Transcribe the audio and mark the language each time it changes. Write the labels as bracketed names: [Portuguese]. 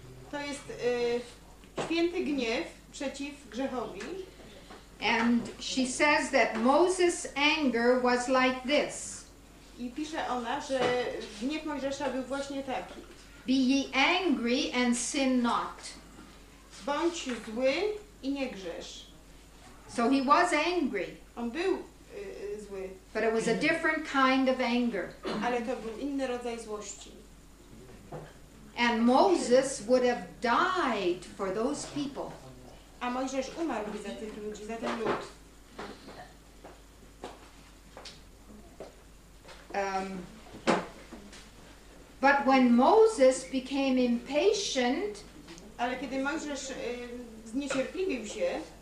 [Polish] To jest święty gniew przeciw grzechowi. [English] And she says that Moses' anger was like this. [Polish] I pisze ona, że gniew Mojżesza był właśnie taki. [English] Be ye angry and sin not. [Polish] Bądź zły i nie grzesz. [English] So he was angry. [Polish] On był zły. [English] But it was a different kind of anger. [Polish] Ale to był inny rodzaj złości. [English] And Moses would have died for those people. [Polish] A Mojżesz umarł za tych ludzi, za ten lud. [English] But when Moses became impatient, [Polish] ale kiedy Mojżesz zniecierpliwił się,